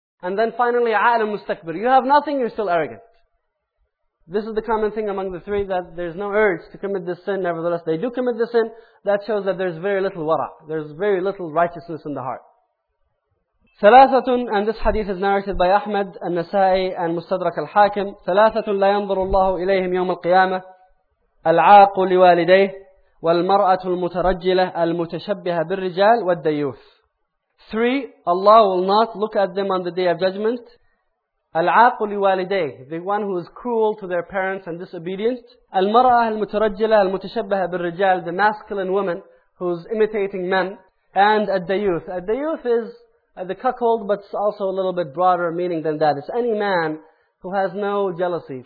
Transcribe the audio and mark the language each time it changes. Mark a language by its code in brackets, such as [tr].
[en] And then finally, [ar] عَالَ مُسْتَكْبِرِ. [en] You have nothing, you're still arrogant. This is the common thing among the three, that there's no urge to commit this sin. Nevertheless, they do commit the sin. That shows that there's very little wara. There's very little righteousness in the heart. ثلاثة, and this hadith is narrated by Ahmad, al-Nasa'i, and Mustadrak al-Hakim. [ar] ثلاثة لا ينظر الله إليهم يوم القيامة. العاق لوالديه والمرأة المترجلة المتشبهة بالرجال والديوث. [en] Three, Allah will not look at them on the Day of Judgment. [ar] العاق لوالديه, [en] the one who is cruel to their parents and disobedient. [ar] المرأة المترجلة المتشبهة بالرجال, [en] the masculine woman who is imitating men. And الديوث. الديوث is the cuckold, but it's also a little bit broader meaning than that. It's any man who has no jealousy.